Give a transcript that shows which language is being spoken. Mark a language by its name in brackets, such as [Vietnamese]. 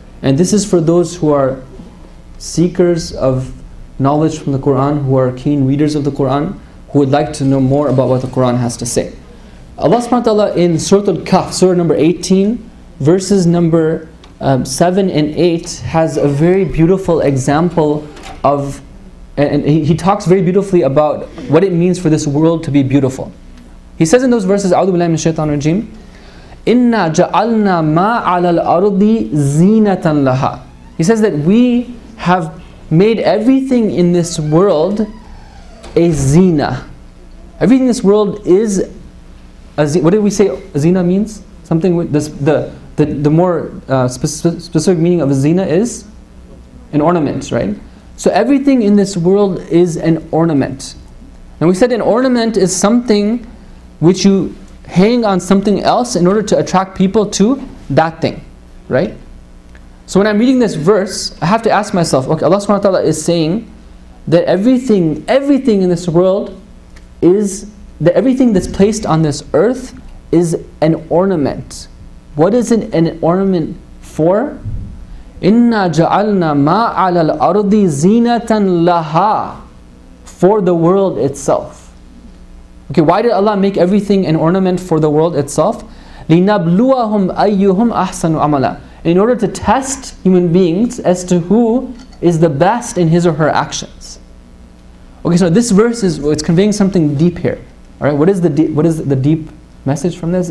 [English] And this is for those who are seekers of knowledge from the Quran, who are keen readers of the Quran, who would like to know more about what the Quran has to say. Allah subhanahu wa ta'ala in Surah Al-Kahf, Surah number 18, verses number 7 and 8, has a very beautiful example of, and he talks very beautifully about what it means for this world to be beautiful. He says in those verses, [Arabic] أعوذ بالله من الشيطان الرجيم, إِنَّا جَعَلْنَا مَا عَلَى الْأَرْضِ زِينَةً لَهَا. [English] He says that we have made everything in this world a zina. Everything in this world is a zina. What did we say a zina means? Something with this, the more specific meaning of a zina is an ornament, right? So everything in this world is an ornament. And we said an ornament is something which you hang on something else in order to attract people to that thing, right? So when I'm reading this verse, I have to ask myself, okay, Allah subhanahu wa ta'ala is saying that everything in this world is, that everything that's placed on this earth is an ornament. What is an ornament for? [Arabic] إِنَّا جَعَلْنَا مَا عَلَى الْأَرْضِ زِينَةً لَهَا [English] for the world itself. Okay, why did Allah make everything an ornament for the world itself? [Arabic] لِنَبْلُوَهُمْ أَيُّهُمْ أَحْسَنُ عَمَلًا [English] in order to test human beings as to who is the best in his or her actions. Okay, so this verse is, it's conveying something deep here. Alright, what is the deep message from this?